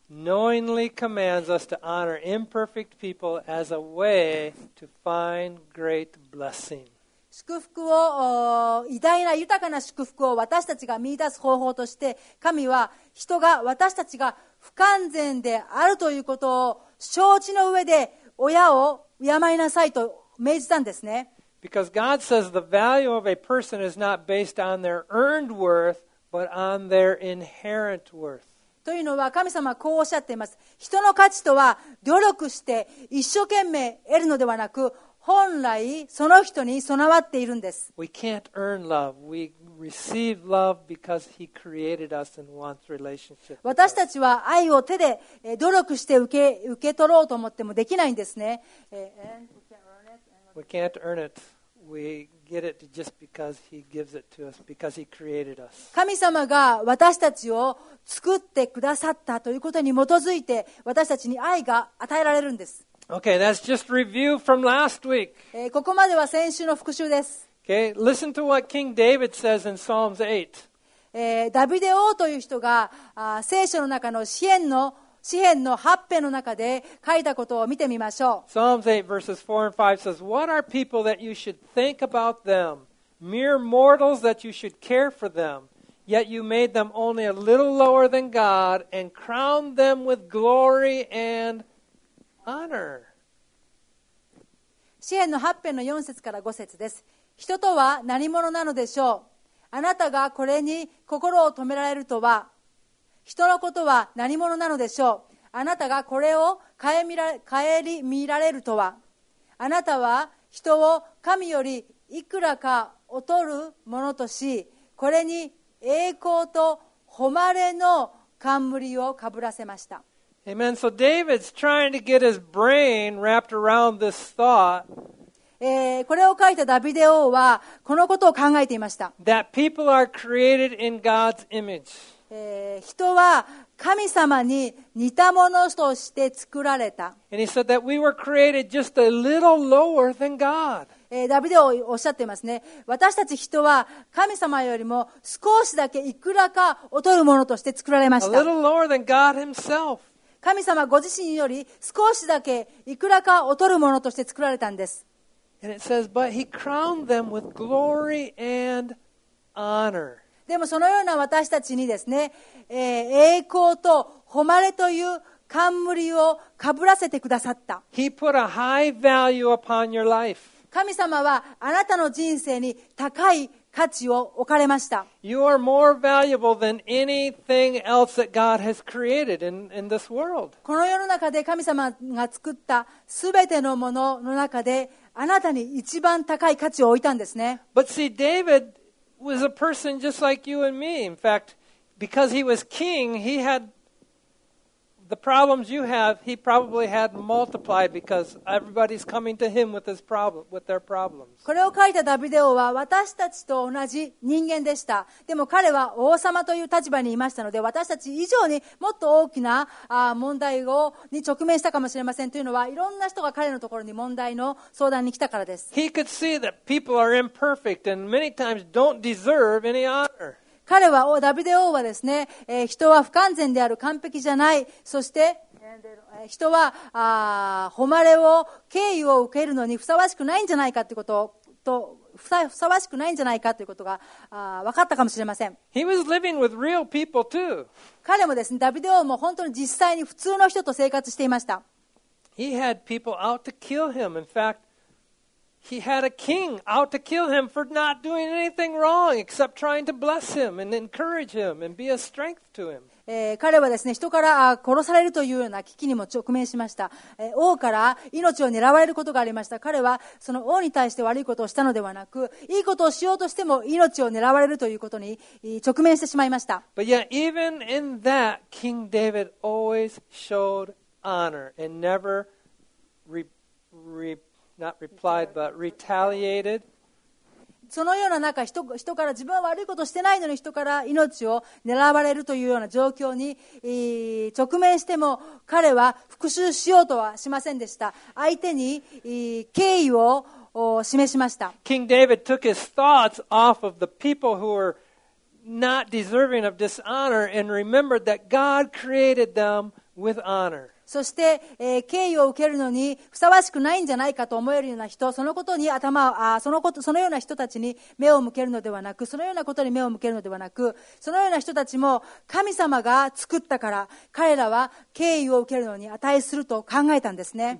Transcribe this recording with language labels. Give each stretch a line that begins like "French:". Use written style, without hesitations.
English: God knowingly commands us to honor imperfect people as a way to find great blessing.
Japanese: 祝福を、偉大な豊かな祝福を私たちが見出す方法として、神は人が私たちが不完全であるということを承知の上で親を敬いなさいと命じたんですね。
English: Because God says the value of a person is not based on their earned worth, but on their inherent worth.
Japanese: というのは神様はこうおっしゃっています。人の価値とは努力して一生懸命得るのではなく、本来その人に備わっているんです。
English: We can't earn love. We receive love because He created us and wants relationship.
Japanese: 私たちは愛を手で努力して受け取ろうと思ってもできないんですね。
English: We can't earn it. We get it just because He gives it to us, because He created us.
Japanese: 神様が私たちを作ってくださったということに基づいて私たちに愛が与えられるんです。
English: Okay, that's just review from last week.
Japanese: ここまでは先週の復習です。
English: Okay, listen to what King David says in Psalms 8.
Japanese: ダビデ王という人が聖書の中の詩篇の詩編の8編の中で書いたことを見てみましょう。
English: Psalms 8 verses 4 and 5 says, What are people that you should think about them? Mere mortals that you should care for them. Yet you made them only a little lower than God and crowned them with glory and honor.
Japanese: 詩編の8編の4節から5節です。人とは何者なのでしょう、あなたがこれに心を止められるとは。人のことは何者なのでしょう、あなたがこれを顧みられるとは。あなたは人を神よりいくらか劣るものとし、これに栄光と誉れの冠をかぶらせました。
English: Amen. So David's trying to get his brain wrapped around this thought.
Japanese: これを書いたダビデ王はこのことを考えていました。
English: That people are created in God's image.
Japanese: 人は神様に似たものとして作られた。
English: And he said that we were created just a little lower than God.
Japanese: ダビデ王おっしゃっていますね。私たち人は神様よりも少しだけいくらか劣るものとして作られました。
English: A little lower than God himself.
Japanese: 神様ご自身より少しだけいくらか劣るものとして作られたんです。
English: And it says, but he crowned them with glory and honor.
Japanese: でもそのような私たちにですね、栄光と誉れという冠をかぶらせてくださった。
English: He put a high value upon your life.
Japanese: 神様はあなたの人生に高い価値を置かれました。
English: You are more valuable than anything else that God has created in this world.
Japanese: この世の中で神様が作ったすべてのものの中で、あなたに一番高い価値を置いたんですね。
English: But see, David was a person just like you and me. In fact, because he was king, he had the problems you have. He probably had multiplied because everybody's coming to him with his problem, with their problems.
Japanese: これを書いたダビデ王は私たちと同じ人間でした。でも彼は王様という立場にいましたので、私たち以上にもっと大きな問題に直面したかもしれません。というのは、いろんな人が彼のところに問題の相談に来たからです。
English: He could see that people are imperfect and many times don't deserve any honor.
Japanese: 彼は、ダビデ王はですね、人は不完全である、完璧じゃない、そして、人は誉れを、敬意を受けるのにふさわしくないんじゃないかということと、ふさわしくないんじゃないかということが分かったかもしれません。
English: He was living with real people too.
Japanese: 彼もですね、ダビデ王も本当に実際に普通の人と生活していました。
English: He had people out to kill him. In fact,He had a king out to kill him for not doing anything wrong except trying to bless him and encourage him and be a strength to him.
Japanese: 彼はですね、人から殺されるというような危機にも直面しました。王から命を狙われることがありました。彼はその王に対して悪いことをしたのではなく、いいことをしようとしても命を狙われるということに直面してしまいました。 But yet, even in that, King David always showed honor and never retaliated. そのような中、人から自分は悪いことをしてないのに人から命を狙われるというような状況に直面しても、彼は復讐しようとはしませんでした。相手に敬意を示しました。
English: King David took his thoughts off of the people who were not deserving of dishonor and remembered that God created them with honor.
Japanese: そして、敬意を受けるのにふさわしくないんじゃないかと思えるような人、そのことに頭を、そのような人たちに目を向けるのではなく、そのようなことに目を向けるのではなく、そのような人たちも神様が作ったから、彼らは敬意を受けるのに値すると考えたんですね。